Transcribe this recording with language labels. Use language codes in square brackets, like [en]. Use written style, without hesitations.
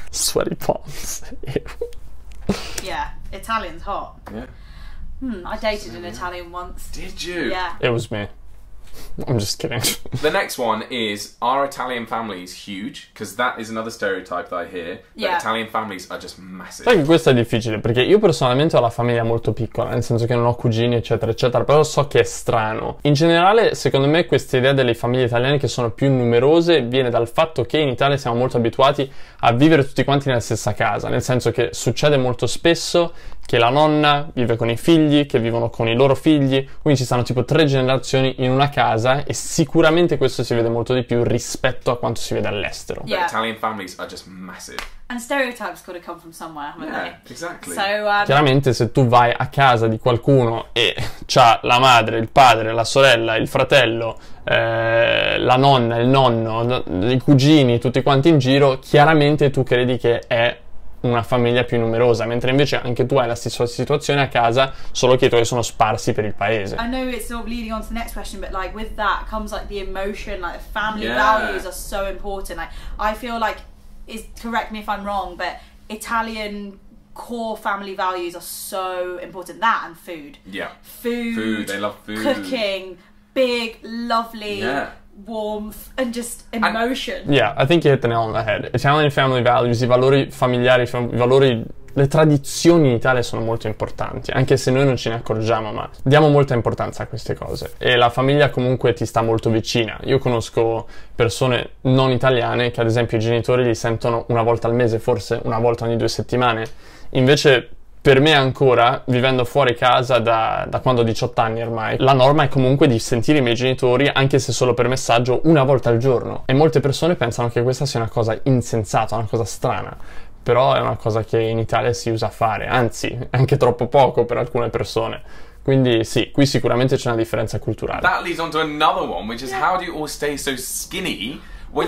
[en] sweaty palms. Yeah, Italian's hot. Yeah. I dated an Italian once. Did you? Yeah. It was me. I'm just kidding. The next one is, are Italian families huge? Because that is another stereotype that I hear. Yeah. Italian families are just massive. [it] Sai che questo è difficile, perché io personalmente ho la famiglia molto piccola, nel senso che non ho cugini, eccetera, eccetera, però so che è strano. In generale, secondo me, questa idea delle famiglie italiane che sono più numerose viene dal fatto che in Italia siamo molto abituati a vivere tutti quanti nella stessa casa, nel senso che succede molto spesso che la nonna vive con i figli, che vivono con i loro figli, quindi ci stanno tipo tre generazioni in una casa, e sicuramente questo si vede molto di più rispetto a quanto si vede all'estero. [en] Yeah. Italian families are just massive. And stereotypes gotta come from somewhere, haven't they? Yeah, exactly. So, [it] chiaramente se tu vai a casa di qualcuno e c'ha la madre, il padre, la sorella, il fratello, la nonna, il nonno, i cugini, tutti quanti in giro, chiaramente tu credi che è una famiglia più numerosa, mentre invece anche tu hai la stessa situazione a casa, solo che i tuoi sono sparsi per il paese. [en] I know it's sort of leading on to the next question, but like with that comes like the emotion, like the family values are so important. Like, I feel like, is correct me if I'm wrong, but Italian core family values are so important. That and food. Yeah. Food. Food. They love food. Cooking. Big, lovely. Yeah. warmth and just emotion. And, yeah, I think you hit the nail on the head. Italian family values, [it] i valori familiari, i valori, le tradizioni in Italia sono molto importanti, anche se noi non ce ne accorgiamo, ma diamo molta importanza a queste cose. E la famiglia comunque ti sta molto vicina. Io conosco persone non italiane che ad esempio i genitori li sentono una volta al mese, forse una volta ogni due settimane. Invece per me ancora, vivendo fuori casa da quando ho 18 anni ormai, la norma è comunque di sentire i miei genitori, anche se solo per messaggio, una volta al giorno. E molte persone pensano che questa sia una cosa insensata, una cosa strana. Però è una cosa che in Italia si usa a fare, anzi, anche troppo poco per alcune persone. Quindi sì, qui sicuramente c'è una differenza culturale. [en] That leads on to another one, which is how do you all stay so skinny when